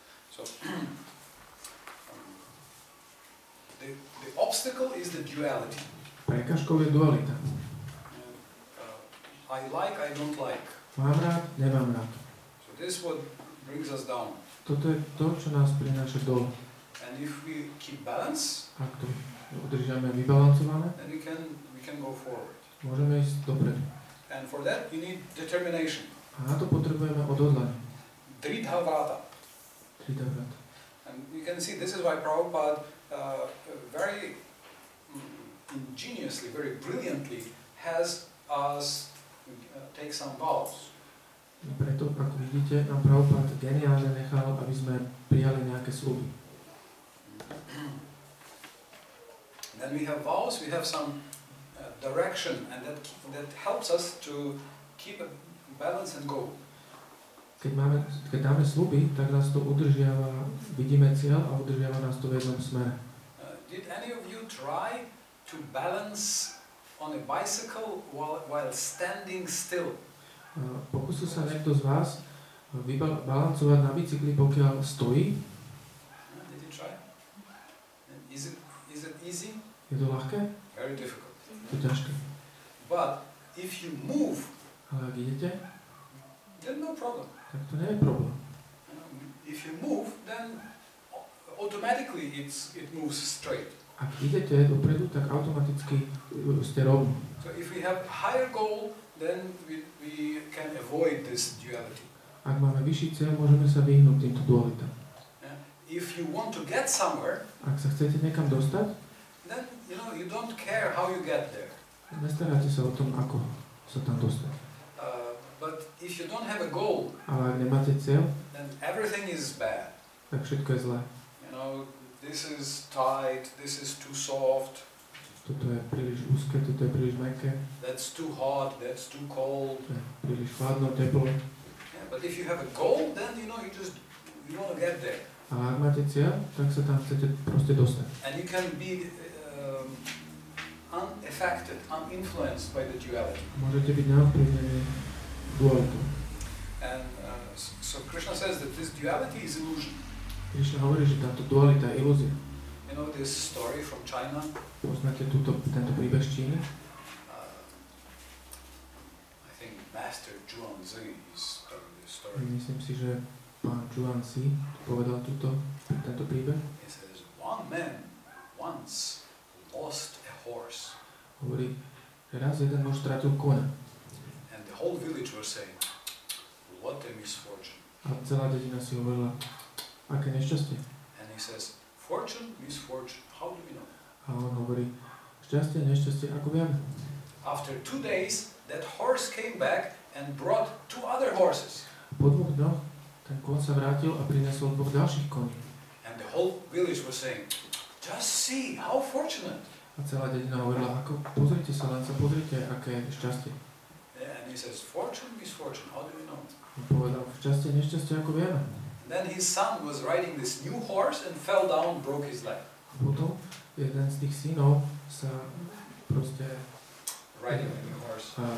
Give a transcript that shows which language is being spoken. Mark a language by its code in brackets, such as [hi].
[en] So, the obstacle is the duality. [sk] Prekážkou je dualita. [en] I like, I don't like. [sk] Mám rád, nemám rád. [en] So this is what brings us down. [sk] Toto je to, čo nás prináša dol. [en] And if we keep balance, [sk] ak to udržíme vybalancované, [en] then we can go forward. [sk] Môžeme ísť dopredu. [en] And for that you need determination. [sk] A na to potrebujeme odhodlanie. [sa] Dridha vrata. [en] And you can see this is why Prabhupada very ingeniously, very brilliantly has us take some vows. [sk] Preto, ako vidíte, nám Prabhupada geniálne nechal, aby sme prijali nejaké sluby. [en] Then we have vows, we have some direction and that helps us to keep a balance and go. [sk] Keď dáme sluby, tak nás to udržiava, vidíme cieľ a udržiava nás to v jednom smere. [en] Did any of you try to balance on a bicycle while standing still? [sk] Pokúsil sa niekto z vás balancovať na bicykli, pokiaľ stojí? [en] Did you try? Is it easy? [sk] Je to ľahké? [en] Very difficult. [sk] To ťažké. [en] But if you move, [sk] ale ak idete, [en] then no problem. [sk] Tak to nie je problém. [en] If you move, then automatically it moves straight. [sk] Ak idete dopredu, tak automaticky ste rovni. [en] So if we have higher goal, then we can avoid this duality. [sk] Ak máme vyšší cieľ, môžeme sa vyhnúť týmto dualitám. [en] If you want to get somewhere, [sk] ak sa chcete niekam dostať, [en] then you know you don't care how you get there. [sk] Nestaráte sa o tom, ako sa tam dostať. [en] But if you don't have a goal, [sk] ale ak nemáte cieľ, [en] then everything is bad. [sk] Tak všetko je zlé. [en] You know, this is tight, this is too soft. [sk] Toto je príliš úzke, toto je príliš mäkké. [en] That's too hot, that's too cold. [sk] To je príliš chladno, teplo. [en] Yeah, but if you have a goal, then you know you want to get there. [sk] Ale ak máte cieľ, tak sa tam chcete proste dostať. [en] And you can be unaffected, uninfluenced by the duality. [sk] Môžete byť neovplyvnení. [en] And so Krishna says that this duality is illusion. [sk] Krishna hovorí, že táto dualita je ilúzia. [en] You know this story from China? [sk] Poznáte tento príbeh z Číny? [en] I think Master Zhuangzi is telling this story. [sk] Myslím si, že pán Zhuangzi povedal tento príbeh. [en] He says, one man once lost a horse. [sk] Hovorí, raz jeden muž stratil koňa. [en] The whole village was saying, what a misfortune. [sk] A celá dedina si hovorila, aké nešťastie. [en] And he says, fortune, misfortune, how do we know? [sk] A on hovorí, šťastie, nešťastie, ako vieme? [en] After 2 days, that horse came back and brought 2 other horses. [sk] Po 2 dňoch, ten kon sa vrátil a prinesol 2 ďalších koní. [en] And the whole village was saying, just see, how fortunate. [sk] A celá dedina hovorila, ako, pozrite sa, len sa pozrite, aké šťastie. [en] And he says, fortune, misfortune, how do we know? [sk] Povedal, šťastie, nešťastie, ako vieme? [en] Then his son was riding this new horse and fell down, broke his leg. [sk] Potom jeden z tých synov sa proste [en] riding the new horse.